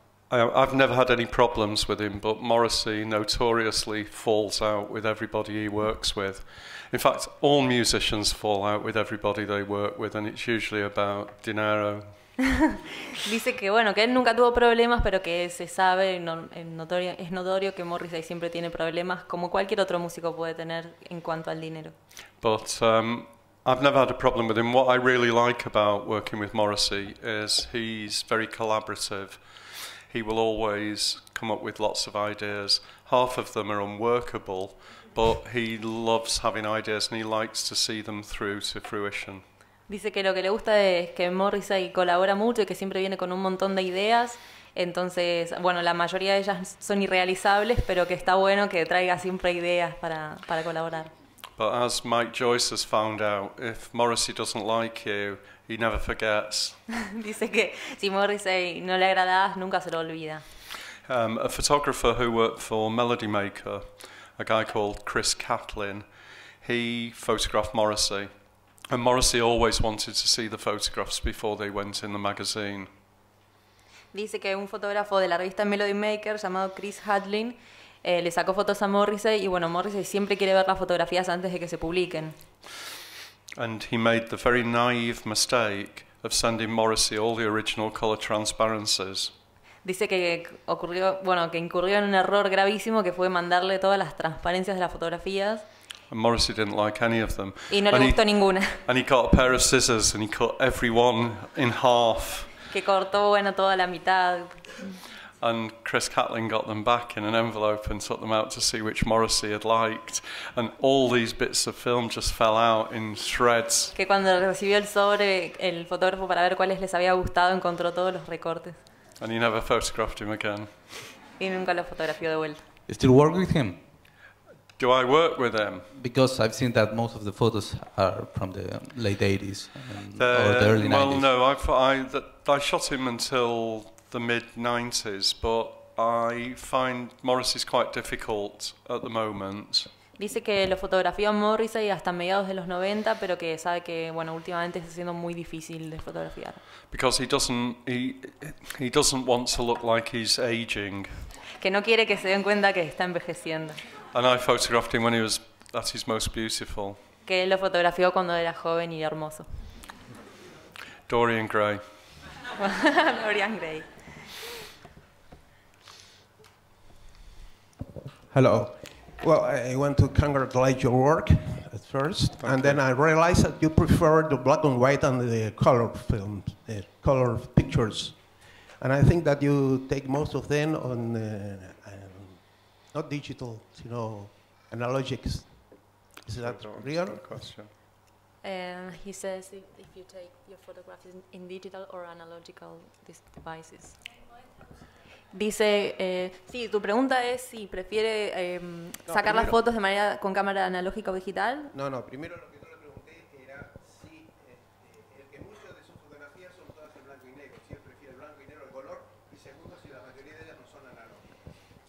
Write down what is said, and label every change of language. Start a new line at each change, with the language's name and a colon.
English: I've never had any problems with him, but Morrissey notoriously falls out with everybody he works with. In fact, all musicians fall out with everybody they work with, and it's usually about dinero.
Spanish: Dice que bueno, que él nunca tuvo problemas, pero que se sabe, es notorio que Morrissey siempre tiene problemas, como cualquier otro músico puede tener en cuanto al dinero.
English: But I've never had a problem with him. What I really like about working with Morrissey is he's very collaborative. He will always come up with lots of ideas. Half of them are unworkable, but he loves having ideas and he likes to see them through to fruition.
Spanish: Dice que lo que le gusta es que Morrissey colabora mucho y que siempre viene con un montón de ideas. Entonces, bueno, la mayoría de ellas son irrealizables, pero que está bueno que traiga siempre ideas para colaborar.
English: But as Mike Joyce has found out, if Morrissey doesn't like you, he never forgets.
Spanish: Dice que si Morrissey no le agradas, nunca se lo olvida.
English: A photographer who worked for Melody Maker, a guy called Chris Catlin, he photographed Morrissey. And Morrissey always wanted to see the photographs before they went in the magazine.
Spanish: Dice que un fotógrafo de la revista Melody Maker llamado Chris Hadlin le sacó fotos a Morrissey y bueno, Morrissey siempre quiere ver las fotografías antes de que se publiquen.
English: And he made the very naive mistake of sending Morrissey all the original color transparencies.
Spanish: Dice que ocurrió, bueno, que incurrió en un error gravísimo que fue mandarle todas las transparencias de las fotografías.
English: And Morrissey didn't like any of them.
Spanish: Y no le gustó ninguna.
English: And he got a pair of scissors and he cut every one in half.
Spanish: Que cortó, bueno, toda la mitad.
English: And Chris Catlin got them back in an envelope and took them out to see which Morrissey had liked. And all these bits of film just fell out in shreds.
Spanish: Que cuando recibió el sobre, el fotógrafo para ver cuáles les había gustado, encontró todos los recortes.
English: And he never photographed him again.
Spanish: Y nunca lo fotografió de vuelta.
English: Still work with him? D- Do I work with them? Because I've seen that most of the photos are from the late 80s or the early 90s. Well, no, I shot him until the mid 90s, but I find Morrissey's quite difficult at the moment.
Spanish: Dice que lo fotografió Morrissey hasta mediados de los 90, pero que sabe que, bueno, últimamente está siendo muy difícil de fotografiar.
English: Because he doesn't want to look like he's aging.
Spanish: Que no quiere que se den cuenta que está envejeciendo.
English: And I photographed him when he was at his most beautiful.
Spanish: Que lo fotografió cuando era joven y hermoso.
English: Dorian Gray. Dorian Gray. Hello. Well, I want to congratulate your work at first, Thank you. Then I realized that you prefer the black and white and the color films, the color pictures. And I think that you take most of them on, not digital, you know, analogics. Is that real? Good question. He says if you take your photographs in digital or analogical devices.
Spanish: Dice, sí, tu pregunta es si prefiere sacar primero, las fotos de manera con cámara analógica o digital. No, primero lo que yo le pregunté era si el que muchas de sus fotografías son todas en blanco y negro, si él prefiere el blanco y negro el color, y segundo si la mayoría de ellas no son analógicas.